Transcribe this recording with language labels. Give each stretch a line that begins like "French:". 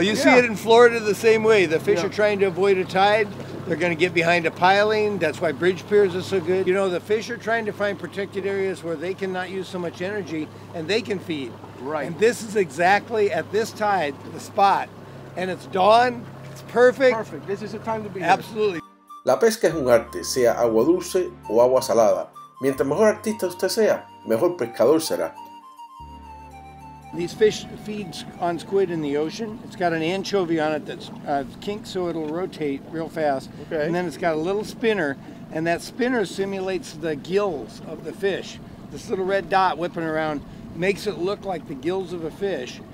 English: You see it in Florida the same way. The fish are trying to avoid a tide. They're going to get behind a piling. That's why bridge piers are so good. You know, the fish are trying to find protected areas where they cannot use so much energy and they can feed. Right. And this is exactly at this tide, the spot. And it's dawn. It's perfect. Perfect. This is the time to be Absolutely. Here.
Spanish: La pesca es un arte, sea agua dulce o agua salada. Mientras mejor artista usted sea, mejor pescador será.
English: These fish feed on squid in the ocean. It's got an anchovy on it that's kinked so it'll rotate real fast. Okay. And then it's got a little spinner, and that spinner simulates the gills of the fish. This little red dot whipping around makes it look like the gills of a fish.